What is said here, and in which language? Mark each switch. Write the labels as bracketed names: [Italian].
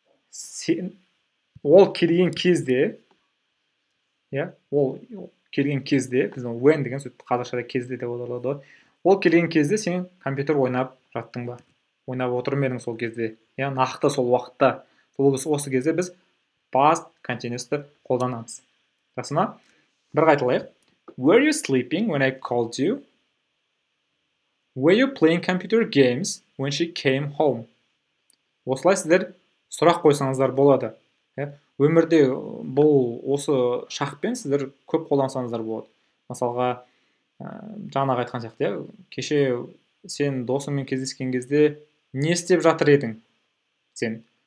[Kazakh] Сен ол келген кезде, ол келген кезде, біздің when деген сөзді қазақшада кезде деп аударылады. Ол келген кезде сен компьютер ойнап жаттың ба? Ойнап отырмын едің сол кезде. Нақты сол уақытта. Осы кезде біз past continuous-ты қолданамыз. Жақсы ма? Бір қайталайық. [English] Were you sleeping when I called you? Were you playing computer games when she came home? [Kazakh] Осылай сіздер сұрақ қойсаңыздар болады. Өмірде бұл осы шақпен сіздер көп қолдансаңыздар болады. Мысалға, жаңағы айтқан сияқты, кеше сен досыңмен кездескен кезде не істеп жатыр едің сен?